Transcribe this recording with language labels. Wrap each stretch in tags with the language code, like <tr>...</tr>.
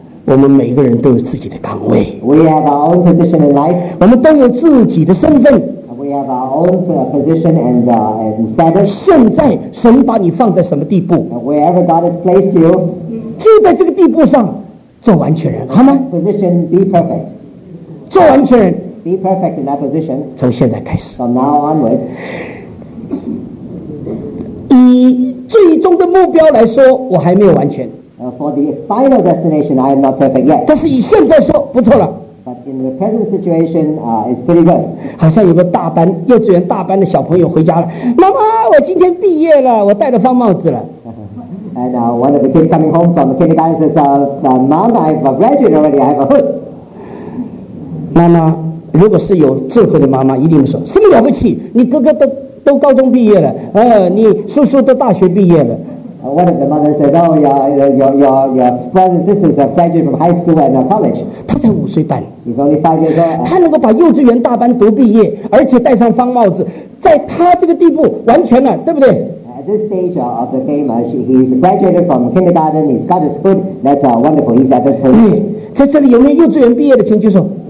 <zh>我们每个人都有自己的岗位。</zh> <en>We have our own position in life.</en> <zh>我们都有自己的身份。</zh> <en>We have our own position and status.</en> <zh>现在神把你放在什么地步</zh> <en>？Wherever God has placed you,</en> <zh>就在这个地步上做完全人，好吗</zh> <en>？Position be perfect.</en> <zh>做完全人。</zh> <en>Be perfect in that position.</en> <zh>从现在开始。</zh> <en>From now onwards.</en> <zh>以最终的目标来说，我还没有完全。</zh> <en>For the final destination, I am not perfect yet.</en> <zh>但是以现在说，不错了。</zh> <en>But in the present situation, it's pretty good.</en> <zh>好像有个大班，幼稚园大班的小朋友回家了。妈妈，我今天毕业了，我戴了方帽子了。</zh> <en>And one of the kids coming home from the kindergarten says, "Mom, I've graduated already. I have a hood."</en> <zh>妈妈。如果是有智慧的妈妈，一定会说什么了不起？你哥哥都高中毕业了，你叔叔都大学毕业了。</zh> <en>One of the mothers said, "Oh, your brothers and sisters have graduated from high school and college."</en> <zh>他才五岁半。</zh> <en>He's only 5 years old.</en> <zh>他能够把幼稚园大班读毕业，而且戴上方帽子，在他这个地步完全了，对不对</zh> <en>？At this stage of the game, he's graduated from kindergarten. He's got his hood. That's wonderful. He's at this point.</en> <zh>在这里有没有幼稚园毕业的，请举手。</zh>